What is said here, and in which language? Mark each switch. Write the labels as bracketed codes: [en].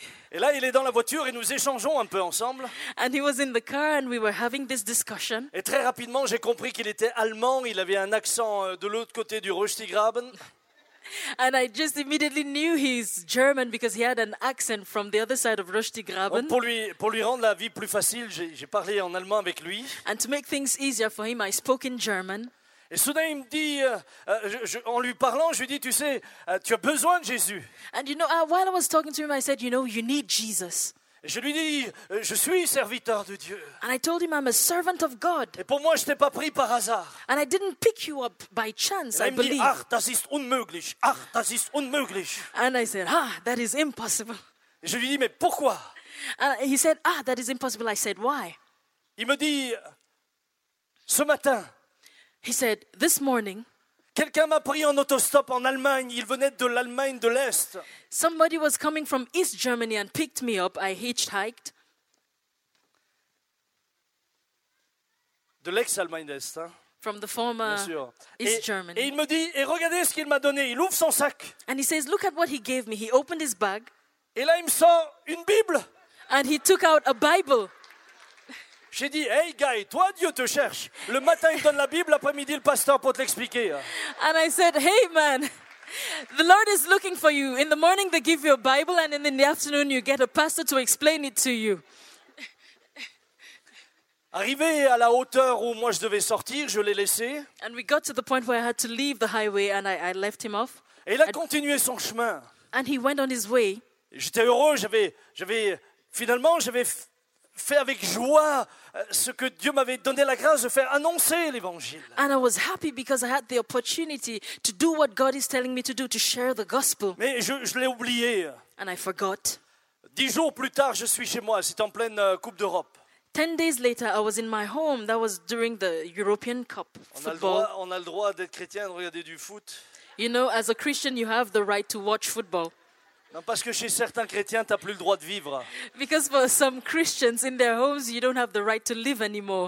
[fr] Et là, il est dans la voiture et nous échangeons un peu ensemble. [en] And he was in the car and we were having this discussion. [fr] Et très rapidement, j'ai compris qu'il était allemand. Il avait un accent de l'autre côté du Rüstigraben. [en] And I just immediately knew he's German because he had an accent from the other side of Rüstigraben. [fr] Donc pour lui rendre la vie plus facile, j'ai parlé en allemand avec lui. [en] And to make things easier for him, I spoke in German. [fr] Et soudain, il me dit, en lui parlant, je lui dis, tu sais, tu as besoin de Jésus. [en] And you know, while I was talking to him, I said, you know, you need Jesus. [fr] Et je lui dis, je suis serviteur de Dieu. [en] And I told him, I'm a servant of God. [fr] Et pour moi, je t'ai pas pris par hasard. [en] And I didn't pick you up by chance, [fr] là, [en] I believe. [fr] Et il me dit, [de] ach, das ist unmöglich. Ach, das ist unmöglich. [en] And I said, ah, that is impossible. [fr] Et je lui dis, mais pourquoi? [en] And he said, ah, that is impossible. I said, why? [fr] Il me dit, ce matin. [en] He said, this morning, [fr] quelqu'un m'a pris en autostop en Allemagne. Il venait de l'Allemagne de l'Est. [en] Somebody was coming from East Germany and picked me up. I hitchhiked. [fr] De l'ex-Allemagne d'Est, hein? [en] From the former East Germany. [fr] Et il me dit, et regardez ce qu'il m'a donné. Il ouvre son sac. [en] And he says, look at what he gave me. He opened his bag. [fr] Et là, il me sort une Bible. [en] And he took out a Bible. [fr] J'ai dit, [en] hey guy, [fr] toi Dieu te cherche. Le matin il donne la Bible, l'après-midi le pasteur pour te l'expliquer. [en] And I said, hey man, the Lord is looking for you. In the morning they give you a Bible and in the afternoon you get a pastor to explain it to you. [fr] Arrivé à la hauteur où moi je devais sortir, je l'ai laissé. [en] And we got to the point where I had to leave the highway and I left him off. [fr] Et il a continué son chemin. [en] And he went on his way. [fr] J'étais heureux, j'avais fait avec joie ce que Dieu m'avait donné la grâce de faire annoncer l'évangile. [en] And I was happy because I had the opportunity to do what God is telling me to do, to share the gospel. [fr] Mais je l'ai oublié. [en] And I forgot. [fr] 10 jours plus tard, je suis chez moi. C'est en pleine Coupe d'Europe. [en] 10 days later, I was in my home. That was during the European Cup football. [fr] On a le droit d'être chrétien et de regarder du foot. [en] You know, as a Christian, you have the right to watch football. [fr] Non, parce que chez certains chrétiens, tu n'as plus le droit de vivre. [en] Because for some Christians in their homes, you don't have the right to live anymore.